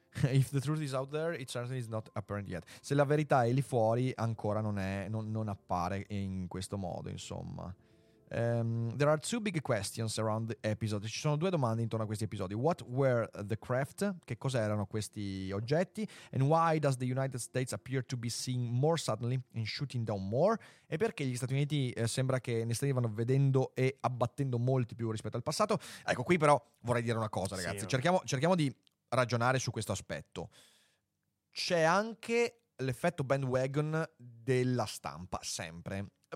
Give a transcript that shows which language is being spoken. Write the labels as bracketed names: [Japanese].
[English] If the truth is out there, it certainly is not apparent yet. [Italian] Se la verità è lì fuori, ancora non appare in questo modo, insomma. [English] There are 2 big questions around the episode. [Italian] Ci sono 2 domande intorno a questi episodi. [English] What were the craft? [Italian] Che cos'erano questi oggetti? [English] And why does the United States appear to be seeing more suddenly and shooting down more? [Italian] E perché gli Stati Uniti sembra che ne stavano vedendo e abbattendo molti più rispetto al passato? Ecco, qui però vorrei dire una cosa, ragazzi. Sì, cerchiamo di ragionare su questo aspetto. C'è anche l'effetto bandwagon della stampa, sempre.